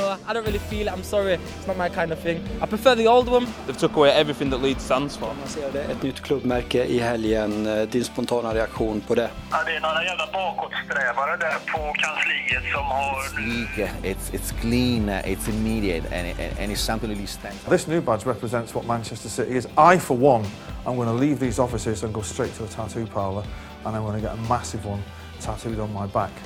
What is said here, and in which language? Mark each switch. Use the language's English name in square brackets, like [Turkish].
[English] I don't really feel it. I'm sorry. It's not my kind of thing. I prefer the old one. They've took away everything that Leeds stands for. [Swedish] Ett nytt klubbmärke i helgen. Din spontana reaktion på det? Ja, det är några jävla bakåtsträvare där på kansliet som har... [English] It's clean, it's immediate, and it's something really stands. This new badge represents what Manchester City is. I, for one, I'm going to leave these offices and go straight to a tattoo parlor, and I'm going to get a massive one tattooed on my back.